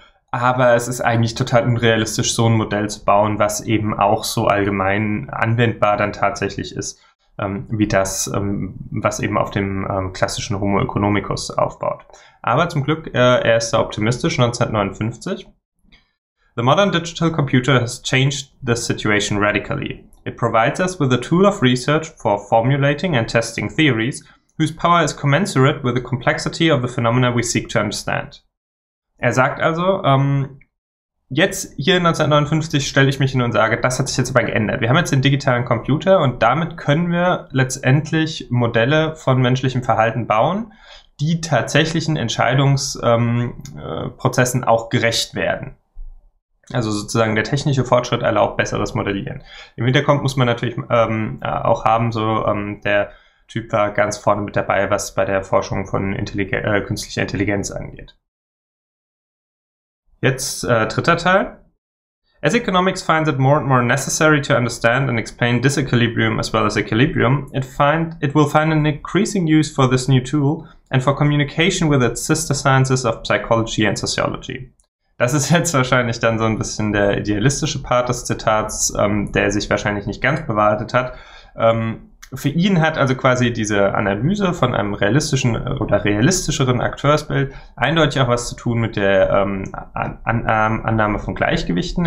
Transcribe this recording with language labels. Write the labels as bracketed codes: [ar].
[de] Aber es ist eigentlich total unrealistisch, so ein Modell zu bauen, was eben auch so allgemein anwendbar dann tatsächlich ist, wie das, was eben auf dem klassischen Homo economicus aufbaut. Aber zum Glück, er ist da optimistisch, 1959. [en] The modern digital computer has changed the situation radically. It provides us with a tool of research for formulating and testing theories, whose power is commensurate with the complexity of the phenomena we seek to understand. [de] Er sagt also, jetzt hier 1959 stelle ich mich hin und sage, das hat sich jetzt aber geändert. Wir haben jetzt den digitalen Computer und damit können wir letztendlich Modelle von menschlichem Verhalten bauen, die tatsächlichen Entscheidungsprozessen auch gerecht werden. Also sozusagen der technische Fortschritt erlaubt besseres Modellieren. Im Hintergrund muss man natürlich auch haben, so der Typ war ganz vorne mit dabei, was bei der Forschung von künstlicher Intelligenz angeht. Jetzt dritter Teil. [en] As economics finds it more and more necessary to understand and explain disequilibrium as well as equilibrium, it will find an increasing use for this new tool and for communication with its sister sciences of psychology and sociology. [de] Das ist jetzt wahrscheinlich dann so ein bisschen der idealistische Part des Zitats, der sich wahrscheinlich nicht ganz bewahrheitet hat. Für ihn hat also quasi diese Analyse von einem realistischen oder realistischeren Akteursbild eindeutig auch was zu tun mit der Annahme von Gleichgewichten.